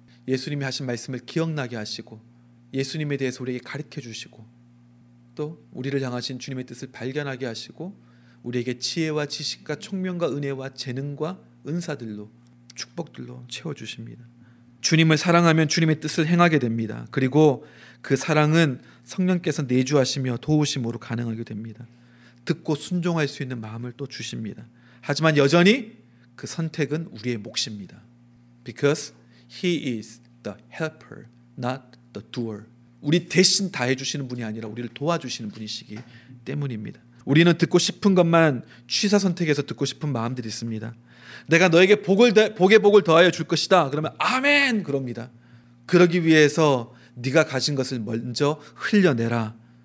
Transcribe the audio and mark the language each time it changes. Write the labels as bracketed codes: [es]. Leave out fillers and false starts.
[ko] 예수님이 하신 말씀을 기억나게 하시고 예수님에 대해서 우리에게 가르쳐주시고 또 우리를 향하신 주님의 뜻을 발견하게 하시고 우리에게 지혜와 지식과 총명과 은혜와 재능과 은사들로 축복들로 채워주십니다. 주님을 사랑하면 주님의 뜻을 행하게 됩니다. 그리고 그 사랑은 성령께서 내주하시며 도우심으로 가능하게 됩니다. 듣고 순종할 수 있는 마음을 또 주십니다. 하지만 여전히 그 선택은 우리의 몫입니다. [en] Because He is the helper, not the doer. [ko] 우리 대신 다 해주시는 분이 아니라 우리를 도와주시는 분이시기 때문입니다. 우리는 듣고 싶은 것만 취사 선택해서 듣고 싶은 마음들이 있습니다. 내가 너에게 복을 더하여 줄 것이다. 그러면 아멘! 그럽니다. 그러기 위해서 네가 가진 것을 먼저 흘려내라.